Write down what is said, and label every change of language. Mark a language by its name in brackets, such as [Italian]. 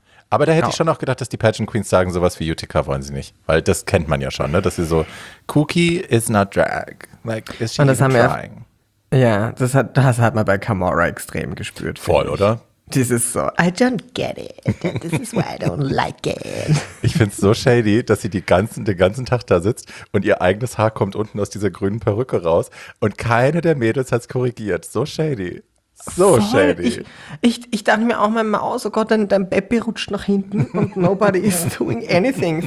[German] Aber da hätte ich schon auch gedacht, dass die Pageant Queens sagen, sowas wie Utica wollen sie nicht. Weil das kennt man ja schon, ne? Dass sie so, [English] Cookie is not drag. Like, is she even trying? [German] Ja, das hat man bei Kamora extrem gespürt. Voll, oder? Dieses so, [English] I don't get it, this is why I don't like it. [German] Ich finde es so shady, dass sie den ganzen Tag da sitzt und ihr eigenes Haar kommt unten aus dieser grünen Perücke raus und keine der Mädels hat es korrigiert. So shady, so voll shady. Ich dachte mir auch mal, Maus, oh Gott, dein Beppi rutscht nach hinten und [English] nobody is doing anything.